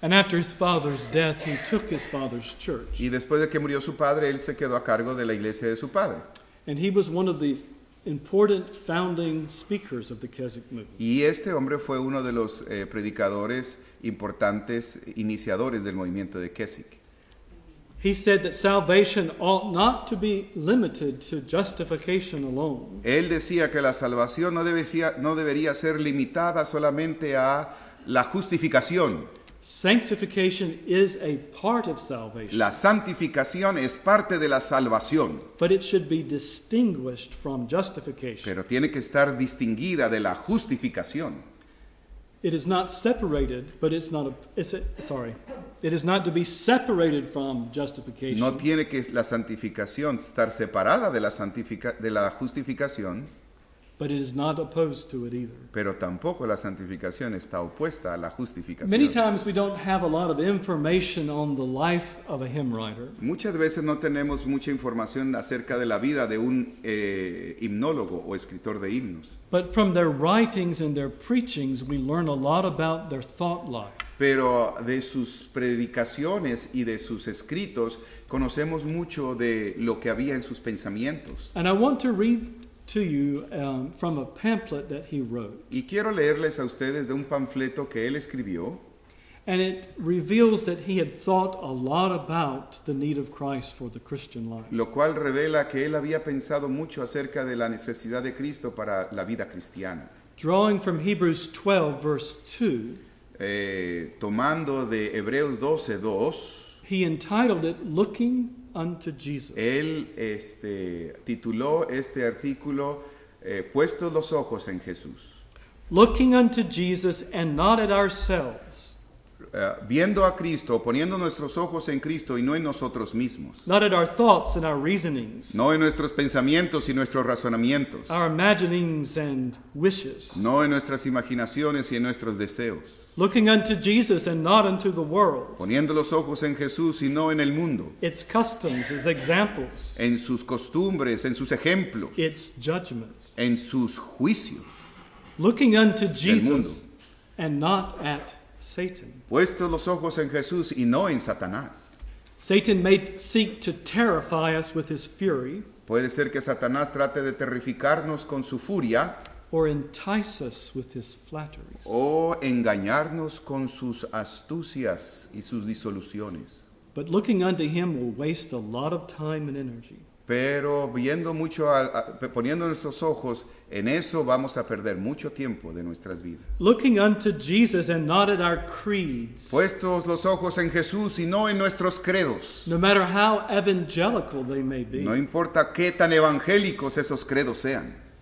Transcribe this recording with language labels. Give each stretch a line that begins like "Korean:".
English: And after his father's death, he took his father's church.
Spanish: Y después de que murió su padre, él se quedó a cargo de la iglesia de su padre.
English: And he was one of the important founding speakers of the Keswick movement.
Spanish: Y este hombre fue uno de los predicadores importantes, iniciadores del movimiento de Keswick.
English: He said that salvation ought not to be limited to justification alone.
Spanish: Él decía que la salvación no debería ser limitada solamente a la justificación.
English: Sanctification is a part of salvation.
Spanish: La santificación es parte de la salvación.
English: But it should be distinguished from justification.
Spanish: Pero tiene que estar distinguida de la justificación.
English: It is not separated, but it's not a. It is not to be separated from justification.
Spanish: No tiene que la santificación estar separada de la justificación.
English: But it is not opposed to it either.
Spanish: Pero tampoco la santificación está opuesta a la justificación.
English: Many times we don't have a lot of information on the life of a hymn writer.
Spanish: Muchas veces no tenemos mucha información acerca de la vida de un himnólogo o escritor de himnos.
English: But from their writings and their preachings, we learn a lot about their thought life.
Spanish: Pero de sus predicaciones y de sus escritos conocemos mucho de lo que había en sus pensamientos.
English: And I want to read to you from a pamphlet that he wrote.
Spanish: Y quiero leerles a ustedes de un panfleto que él escribió.
English: And it reveals that he had thought a lot about the need of Christ for the Christian life.
Spanish: Lo cual revela que él había pensado mucho acerca de la necesidad de Cristo para la vida cristiana.
English: Drawing from Hebrews 12, verse 2,
Spanish: tomando de Hebreos 12, 2,
English: he entitled it Looking Unto Jesus.
Spanish: Él tituló este artículo Puestos los ojos en Jesús.
English: Looking unto Jesus and not at ourselves.
Spanish: Viendo a Cristo, poniendo nuestros ojos en Cristo y no en nosotros mismos.
English: Not at our thoughts and our reasonings.
Spanish: No en nuestros pensamientos y nuestros razonamientos.
English: Our imaginings and wishes.
Spanish: No en nuestras imaginaciones y en nuestros deseos.
English: Looking unto Jesus and not unto the world.
Spanish: Poniendo los ojos en Jesús y no en el mundo.
English: Its customs, its examples.
Spanish: En sus costumbres, en sus ejemplos.
English: Its judgments.
Spanish: En sus juicios.
English: Looking unto Jesus and not at Satan.
Spanish: Puesto los ojos en Jesús y no en Satanás.
English: Satan may seek to terrify us with his fury.
Spanish: Puede ser que Satanás trate de terrificarnos con su furia.
English: Or entice us with his flatteries.
Spanish: O engañarnos con sus astucias y sus disoluciones.
English: But looking unto him will waste a lot of time and energy.
Spanish: Pero viendo mucho, poniendo nuestros ojos en eso, vamos a perder mucho tiempo de nuestras vidas.
English: Looking unto Jesus and not at our creeds.
Spanish: Puestos los ojos en Jesús y no en nuestros credos.
English: No matter how evangelical they may be.
Spanish: No importa qué tan evangélicos esos credos sean.